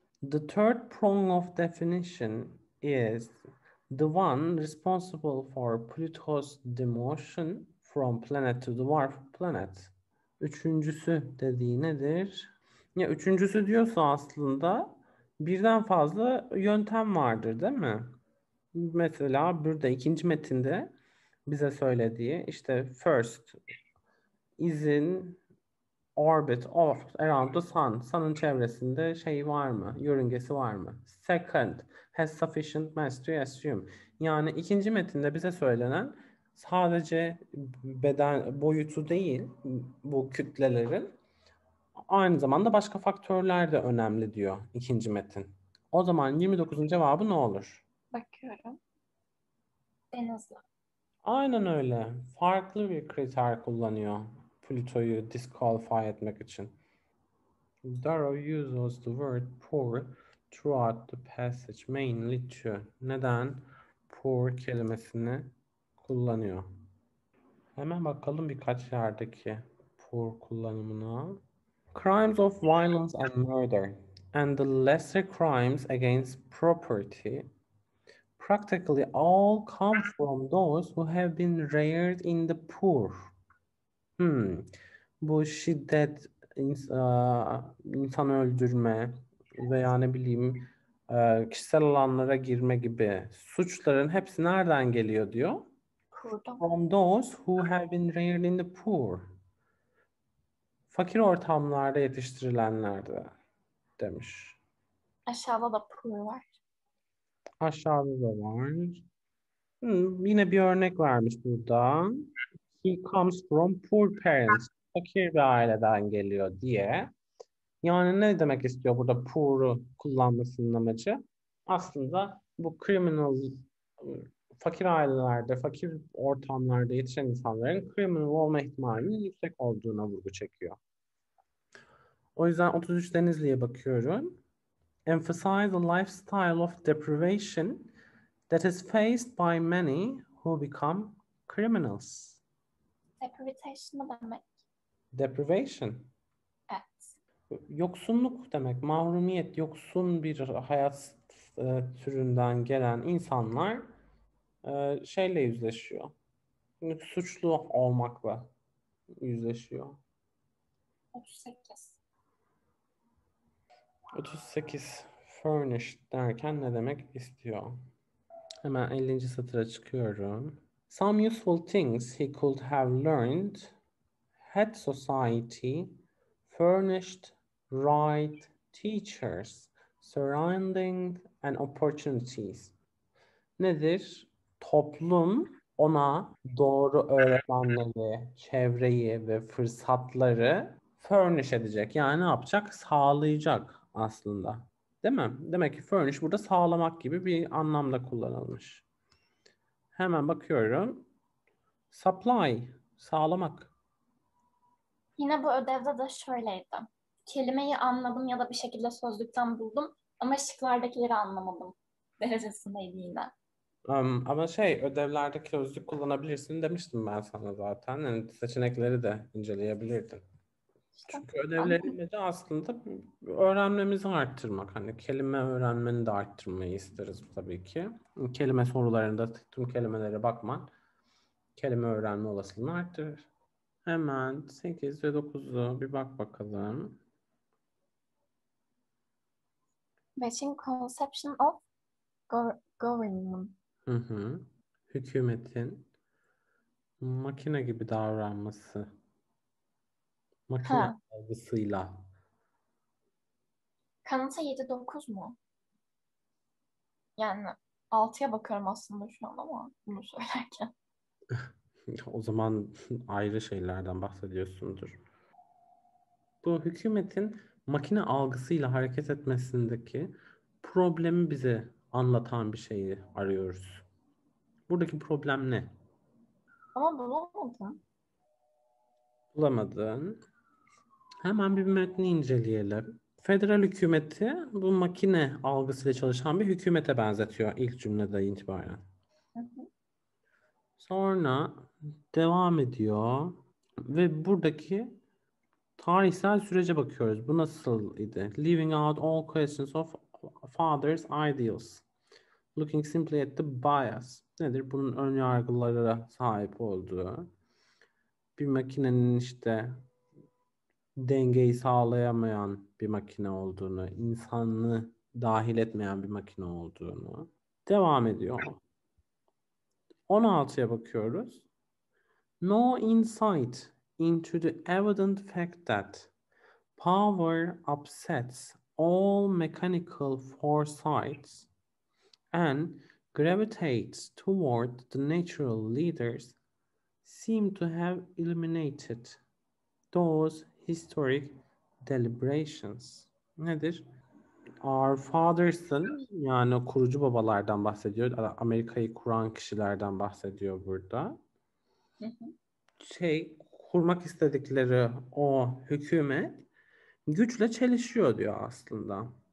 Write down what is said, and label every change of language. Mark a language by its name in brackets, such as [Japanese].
[English] The third prong of definition is the one responsible for Pluto's demotion from planet to dwarf planet. [Turkish] Üçüncüsü dediği nedir? Ya üçüncüsü diyorsa aslında birden fazla yöntem vardır, değil mi? Mesela burada ikinci metinde bize söylediği işte [English] first is in orbit of around the sun. [Turkish] Sun'ın çevresinde şey var mı? Yörüngesi var mı? [English] Second has sufficient mass to assume. [Turkish] Yani ikinci metinde bize söylenen sadece beden boyutu değil bu kütlelerin aynı zamanda başka faktörler de önemli diyor ikinci metin. O zaman 29'un cevabı ne olur? Bakıyorum. En azından. Aynen öyle. Farklı bir kriter kullanıyor Pluto'yu disqualify etmek için. [English] Darrow uses the word poor throughout the passage mainly to. [Turkish] Neden poor kelimesini kullanıyor? Hemen bakalım birkaç yerdeki poor kullanımına. [English] Crimes of violence and murder and the lesser crimes against property practically all come from those who have been reared in the poor. [Turkish] Bu şiddet, insan öldürme veya ne bileyim kişisel alanlara girme gibi suçların hepsi nereden geliyor diyor. Kurdum. [English] From those who have been reared in the poor. [Turkish] Fakir ortamlarda yetiştirilenlerde demiş. Aşağıda da pul var. Aşağıda da var. Yine bir örnek vermiş burada. [English] He comes from poor parents. [Turkish] Fakir bir aileden geliyor diye. Yani ne demek istiyor burada poor'u kullanmasının amacı? Aslında bu criminal, fakir ailelerde, fakir ortamlarda yetişen insanların criminal olma ihtimalinin yüksek olduğuna vurgu çekiyor. O yüzden 33 Denizli'ye bakıyorum. [English] Emphasize the lifestyle of deprivation that is faced by many who become criminals. [Turkish] Deprivation demek? [English] Deprivation. [Turkish] Yoksunluk demek, mahrumiyet, yoksun bir hayat türünden gelen insanlar şeyle yüzleşiyor. Suçlu olmakla yüzleşiyor. 38. 38 furnished derken ne demek istiyor? Hemen 50. satıra çıkıyorum. [English] Some useful things he could have learned had society furnished right teachers surrounding and opportunities. [Turkish] Nedir? Toplum ona doğru öğretmenleri, çevreyi ve fırsatları furnish edecek. Yani ne yapacak? Sağlayacak aslında. Değil mi? Demek ki furnish burada sağlamak gibi bir anlamda kullanılmış. Hemen bakıyorum. Supply, sağlamak. Yine bu ödevde de şöyleydi. Kelimeyi anladım ya da bir şekilde sözlükten buldum ama şıklardakileri anlamadım derecesindeydi yine. Ama şey, ödevlerde közlük kullanabilirsin demiştim ben sana zaten. Yani seçenekleri de inceleyebilirdin. İşte Çünkü anladım. ödevlerimiz aslında öğrenmemizi arttırmak. Hani kelime öğrenmeni de arttırmayı isteriz tabii ki. Kelime sorularında tüm kelimelere bakman kelime öğrenme olasılığını arttırır. Hemen 8 ve 9'u bir bak bakalım. [English] Conception of government. [Turkish] Hükümetin makine gibi davranması. Makine Ha. algısıyla. Kanıta 7-9 mu? Yani 6'ya bakıyorum aslında şu an ama bunu söylerken. O zaman ayrı şeylerden bahsediyorsundur. Bu hükümetin makine algısıyla hareket etmesindeki problemi bize anlatan bir şeyi arıyoruz. Buradaki problem ne? Ama bulamadım. Bulamadın. Hemen bir metni inceleyelim. Federal hükümeti bu makine algısıyla çalışan bir hükümete benzetiyor ilk cümleden itibaren. Sonra devam ediyor ve buradaki tarihsel sürece bakıyoruz. Bu nasıl idi? [English] Leaving out all questions of father's ideals. Looking simply at the bias. [Turkish] Nedir? Bunun ön yargılara sahip olduğu. Bir makinenin işte dengeyi sağlayamayan bir makine olduğunu, insanlığı dahil etmeyen bir makine olduğunu devam ediyor. 16'ya bakıyoruz. [English] No insight into the evident fact that power upsets all mechanical foresights and gravitates toward the natural leaders seem to have eliminated those historic deliberations. [Turkish] Nedir? Our fathers'ın, yani kurucu babalardan bahsediyor. Amerika'yı kuran kişilerden bahsediyor burada. Şey, kurmak istedikleri o hükümet güçle çelişiyor diyor aslında.